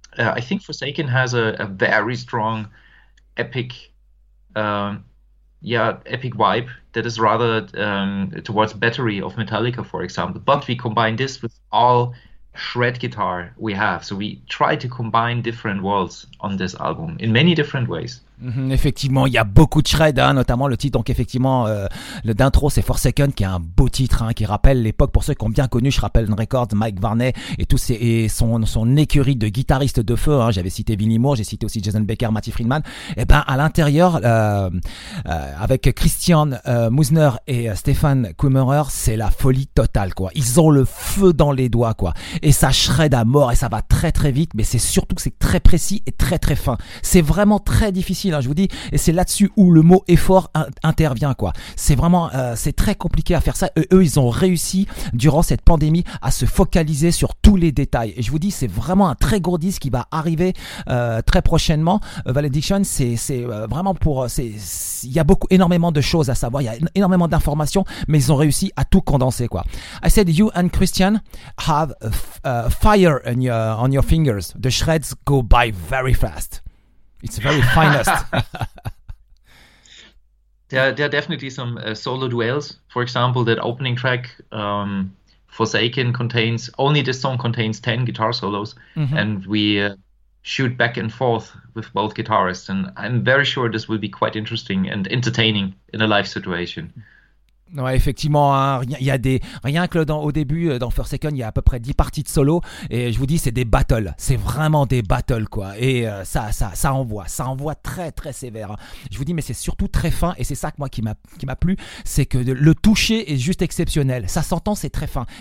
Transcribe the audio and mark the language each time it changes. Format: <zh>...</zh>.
<en>I think Forsaken has a very strong, epic vibe that is rather towards Battery of Metallica, for example. But we combine this with all shred guitar we have. So we try to combine different worlds on this album in many different ways.</en> <fr>Effectivement, il y a beaucoup de shred, hein, notamment le titre. Donc effectivement, le d'intro, c'est Forsaken, qui est un beau titre, hein, qui rappelle l'époque pour ceux qui ont bien connu. Je rappelle une record, Mike Varney et tous ses et son écurie de guitaristes de feu. Hein, j'avais cité Vinnie Moore, j'ai cité aussi Jason Baker, Marty Friedman. Et ben à l'intérieur, avec Christian Musner et Stefan Kummerer, c'est la folie totale, quoi. Ils ont le feu dans les doigts, quoi. Et ça shred à mort et ça va très très vite. Mais c'est surtout que c'est très précis et très très fin. C'est vraiment très difficile. Hein, je vous dis, et c'est là-dessus où le mot effort intervient, quoi. C'est vraiment, c'est très compliqué à faire ça. Eux, ils ont réussi durant cette pandémie à se focaliser sur tous les détails. Et je vous dis, c'est vraiment un très gros disque qui va arriver très prochainement. Valediction, il y a beaucoup, énormément de choses à savoir. Il y a énormément d'informations, mais ils ont réussi à tout condenser, quoi.</fr> <en>I said you and Christian have fire on your fingers. The shreds go by very fast. It's very finest. There are definitely some solo duels. For example, that opening track, Forsaken, contains only this song contains 10 guitar solos, mm-hmm. and we shoot back and forth with both guitarists. And I'm very sure this will be quite interesting and entertaining in a live situation.</en> <fr>Ouais, effectivement, hein, y a des, rien que au début, dans Forsaken, il y a à peu près 10 parties de solo. Et je vous dis, c'est des battles. C'est vraiment des battles, quoi. Et ça envoie. Ça envoie très, très sévère. Hein. Je vous dis, mais c'est surtout très fin. Et c'est ça que moi, qui m'a plu, c'est que le toucher est juste exceptionnel. Ça s'entend, c'est très fin.</fr>